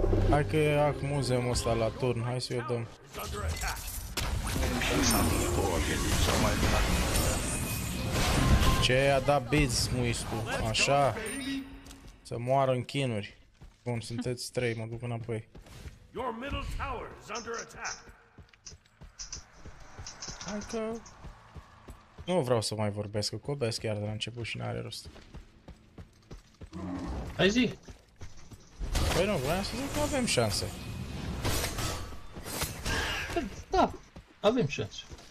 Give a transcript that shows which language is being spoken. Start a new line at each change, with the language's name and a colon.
Romanian: Hai că e acmuzem ăsta la turn, hai să-i o dăm. Ce a dat biz, muiscu, așa. Să moară în chinuri. Bun, sunteți trei, mă duc înapoi.
English: Your middle tower is under attack.
Romanian: Hai că... Nu vreau să mai vorbesc, că cobesc chiar de la început și n-are rost. Hai zi! Păi nu, vreau să zic că avem șanse. Da, avem șanse.